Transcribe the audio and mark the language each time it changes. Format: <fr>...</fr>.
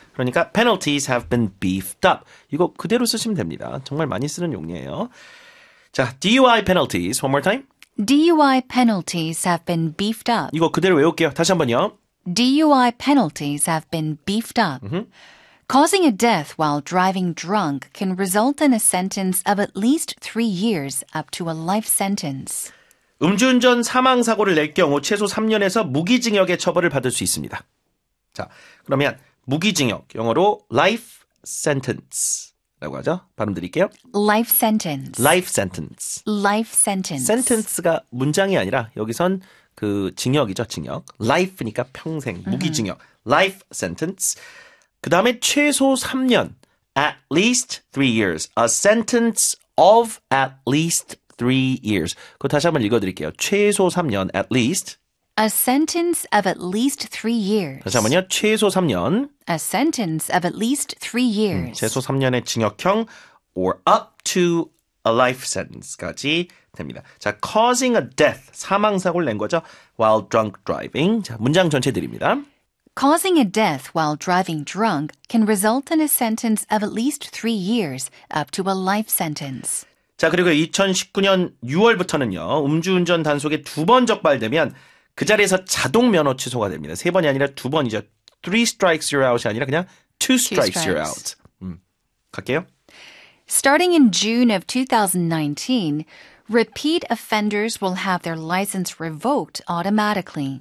<ko>그러니까</ko> <en>penalties have been beefed up.</en> <ko>이거 그대로 쓰시면 됩니다. 정말 많이 쓰는 용례예요.</ko> <en>자, DUI penalties. One more time. DUI penalties have been beefed up.</en> <ko>이거 그대로 외울게요. 다시 한 번요.</ko> <en>DUI penalties have been beefed up. Causing a death while driving drunk can result in a sentence of at least 3 years up to a life sentence.</en> <ko>음주운전 사망 사고를 낼 경우 최소 3년에서 무기징역의 처벌을 받을 수 있습니다. 자, 그러면 무기징역 영어로</ko> <en>life sentence.</en> <ko>라고 하죠. 발음 드릴게요.</ko> <en>Life sentence. Life sentence. Life sentence.</en> <ko>Sentence가 문장이 아니라 여기선 그 징역이죠. 징역. Life니까 평생 무기징역.</ko> <en>Life sentence.</en> <ko>그 다음에 최소 3년.</ko> <en>At least 3 years. A sentence of at least 3 years.</en> <ko>그거 다시 한번 읽어드릴게요. 최소 3년.</ko> <en>At least. A sentence of at least 3 years.</en> <ko>다시 한 번요. 최소 3년.</ko> <en>A sentence of at least 3 years.</en> <ko>최소 3년의 징역형</ko> <en>or up to a life sentence까지</en> <ko>됩니다. 자,</ko> <en>causing a death,</en> <ko>사망사고를 낸 거죠.</ko> <en>While drunk driving.</en> <ko>자, 문장 전체 드립니다.</ko> <en>Causing a death while driving drunk can result in a sentence of at least 3 years up to a life sentence.</en> <ko>자, 그리고 2019년 6월부터는요. 음주운전 단속에 두 번 적발되면 그 자리에서 자동 면허 취소가 됩니다. 세 번이 아니라 두 번이죠.</ko> <en>Three strikes you're out이</en> <ko>아니라 그냥</ko> <en>two strikes you're out.</en> <ko>갈게요.</ko> <en>Starting in June of 2019, repeat offenders will have their license revoked automatically.</en>